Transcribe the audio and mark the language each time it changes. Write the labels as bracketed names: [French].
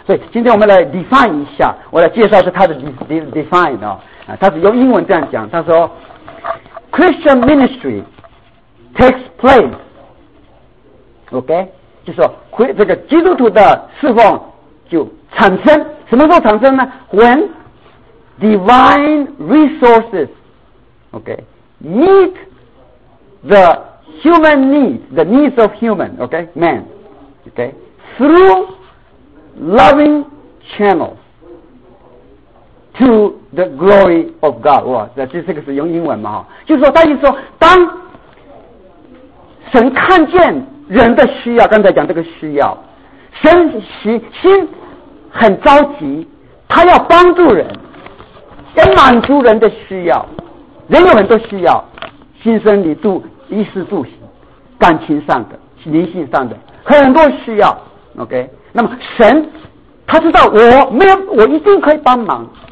[Chinese] 所以今天我们来 define 一下，我来介绍是他的 define 啊，他是用英文这样讲，他说 Christian ministry takes place OK， 就说这个基督徒的侍奉就产生，什么时候产生呢？ [English] When divine resourcesOK, meet the human needs, the needs of human, OK, man, OK, through loving channels to the glory of God. [Chinese] 哇，这这个是用英文嘛？就是说，他意思说，当神看见人的需要，刚才讲这个需要，神心很着急，他要帮助人，要满足人的需要。人有很多需要，心生理度衣食住行，感情上的灵性上的很多需要 OK， 那么神他知道我没有，我一定可以帮忙，